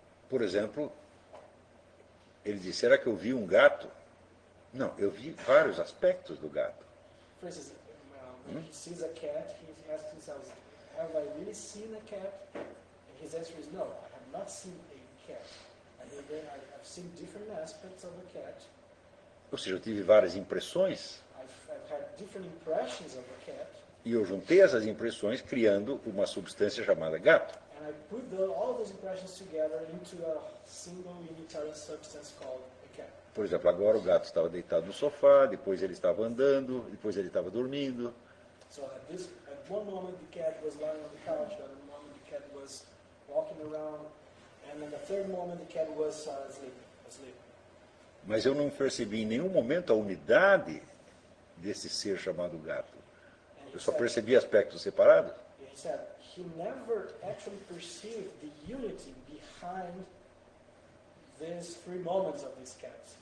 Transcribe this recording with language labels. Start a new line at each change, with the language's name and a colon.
Portuguese: Por exemplo, ele disse, será que eu vi um gato? Não, eu vi vários aspectos do gato.
English: For instance, he sees a cat, he asks himself, have I really seen a cat? And his answer is, no, I have not seen a cat. And then I've seen different aspects of a cat.
Portuguese: Ou seja, eu tive várias impressões.
English: I've had different impressions of a cat.
Portuguese: E eu juntei essas impressões criando uma substância chamada gato.
English: And I put all those impressions together into a single unitary substance called a cat.
Portuguese: Por exemplo, agora o gato estava deitado no sofá, depois ele estava andando, depois ele estava dormindo.
English: So at one moment the cat was lying on the couch, at another moment the cat was walking around, and then the third moment the cat was asleep.
Portuguese: Mas eu não percebi em nenhum momento a unidade desse ser chamado gato. Eu só percebi aspectos separados.
English: He said he never actually perceived the unity behind these three moments of these cats.